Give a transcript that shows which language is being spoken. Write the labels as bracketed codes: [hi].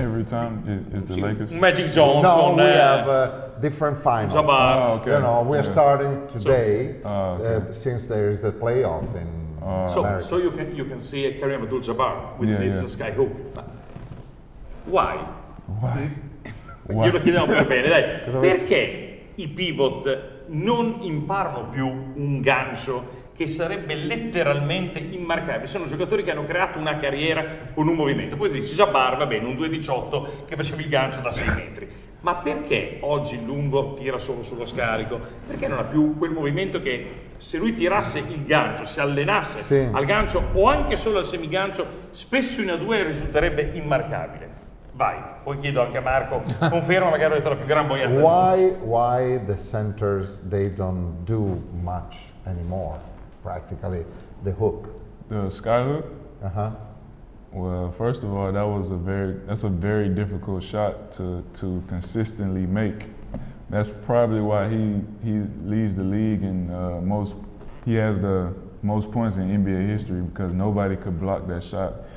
[en] Every time is the Lakers. Magic Johnson. No, we have a different final. We're starting today since there is the playoff in America. So you can see Kareem Abdul-Jabbar with his sky hook. Why? Why? [it] Io lo chiedevo per bene, dai. Perché i pivot non imparano più un gancio che sarebbe letteralmente immarcabile? Sono giocatori che hanno creato una carriera con un movimento. Poi dici Jabbar, va bene, un 2-18 che faceva il gancio da 6 metri. Ma perché oggi il lungo tira solo sullo scarico? Perché non ha più quel movimento che se lui tirasse il gancio, si allenasse al gancio o anche solo al semigancio, spesso in A2 risulterebbe immarcabile. Vai, poi chiedo anche a Marco, conferma magari ho detto la più gran boiata. [en] Why the centers, they don't do much anymore, practically, the hook? The sky hook? Uh-huh. Well, first of all, that's a very difficult shot to consistently make. That's probably why he leads the league and he has the most points in NBA history, because nobody could block that shot.